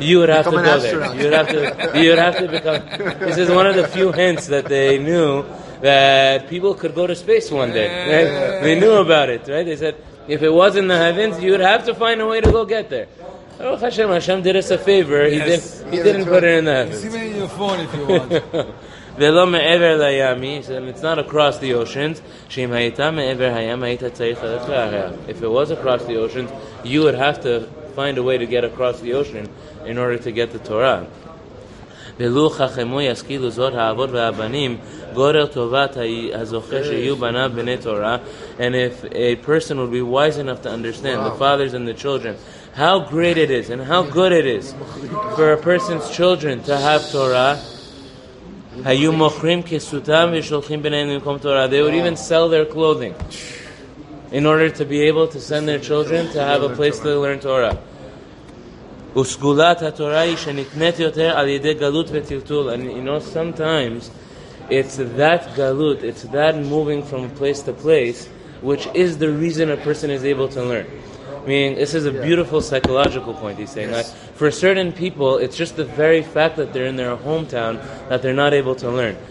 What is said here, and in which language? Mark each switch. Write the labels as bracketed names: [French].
[English] You would have become to go there. You would have to become. This is one of the few hints that they knew that people could go to space one day. They knew about it, right? They said, if it was in the heavens, you would have to find a way to go get there. Oh, Hashem did us a favor. Yes. He didn't put it in the heavens. See me in your phone if you want. [Hebrew] ולא מעבר לימי, [English] it's not across the oceans, [Hebrew] שאם היית מעבר הים, היית צריך ללך להריח. [English] If it was across the oceans, you would have to find a way to get across the ocean in order to get the Torah. [Hebrew] ולו חכמו ישכילו זאת האבות והבנים, גודל טובת הזוכה שיהיו בניו בני תורה, [English] and if a person would be wise enough to understand, the fathers and the children, how great it is and how good it is for a person's children to have Torah, [Hebrew] היו מוכרים כסותם ושולחים ביניהם למקום תורה. [English] They would even sell their clothing in order to be able to send their children to have a place to learn Torah. [Hebrew] וסגולת התורה היא שנקנית יותר על ידי גלות וטלטול. [English] And you know, sometimes it's that galut, it's that moving from place to place, which is the reason a person is able to learn. Meaning, this is a beautiful psychological point, he's saying. Yes. Like, for certain people, it's just the very fact that they're in their hometown that they're not able to learn.